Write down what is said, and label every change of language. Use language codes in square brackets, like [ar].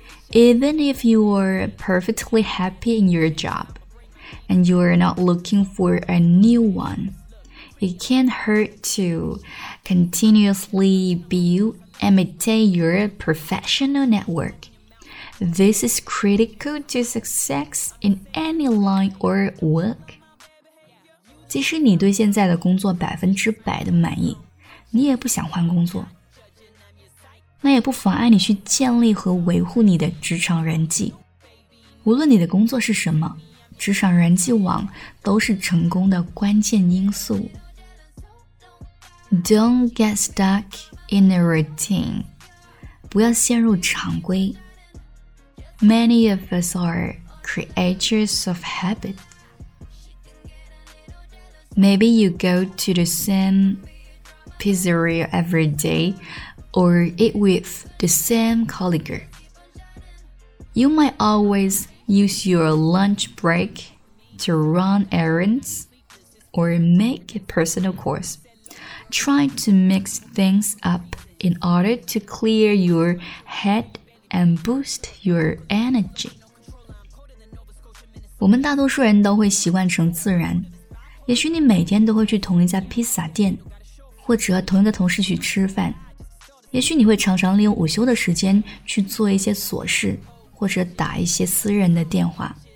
[en] Even if you are perfectly happy in your job, and you are not looking for a new one,It can't hurt to continuously build and maintain your professional network. This is critical to success in any line or work. [zh] 即使你对现在的工作100%的满意，你也不想换工作，那也不妨碍你去建立和维护你的职场人际。无论你的工作是什么，职场人际网都是成功的关键因素。 [en] Don't get stuck in a routine. [zh] 不要陷入常规。 [en] Many of us are creatures of habit. Maybe you go to the same pizzeria every day or eat with the same colleague. You might always use your lunch break to run errands or make a personal course. Try to mix things up in order to clear your head and boost your energy. [zh] 我们大多数人都会习惯成自然。也许你每天都会去同一家披萨店，或者同一个同事去吃饭。也许你会常常利用午休的时间去做一些琐事，或者打一些私人的电话。